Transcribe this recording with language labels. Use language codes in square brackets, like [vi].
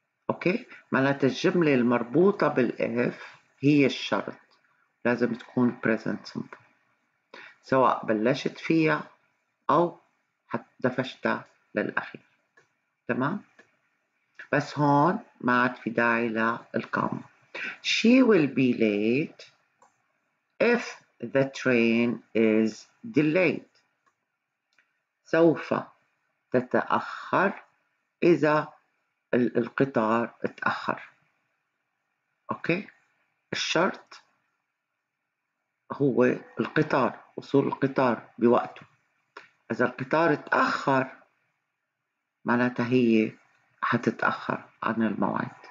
[ar] اوكي، معناتها الجملة المربوطة بالاف هي الشرط، لازم تكون present simple سواء بلشت فيها أو دفشتها للأخير. تمام؟ بس هون ما عاد في داعي للكامة. [en] She will be late if the train is delayed. [ar] سوف تتأخر إذا القطار تأخر. أوكي؟ الشرط هو القطار، وصول القطار بوقته. إذا القطار تأخر معناتها هي هتتأخر عن الموعد.